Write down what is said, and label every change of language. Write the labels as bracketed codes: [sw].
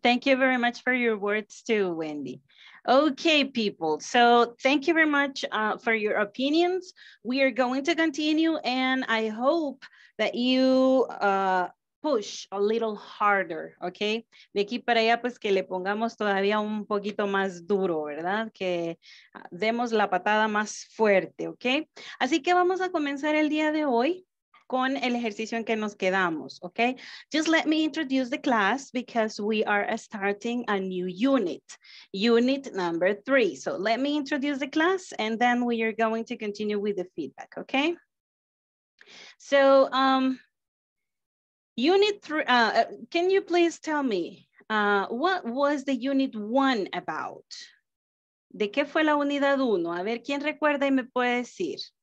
[en] Thank you very much for your words too, Wendy. Okay, people. So thank you very much for your opinions. We are going to continue, and I hope that you push a little harder, okay? [es] De aquí para allá, pues que le pongamos todavía un poquito más duro, ¿verdad? Que demos la patada más fuerte, okay? Así que vamos a comenzar el día de hoy con el ejercicio en que nos quedamos, okay? [en] Just let me introduce the class because we are starting a new unit, unit number 3. So let me introduce the class and then we are going to continue with the feedback, okay? So, unit 3, can you please tell me, what was the unit 1 about? [es] ¿De qué fue la unidad 1? A ver, ¿quién recuerda y me puede decir?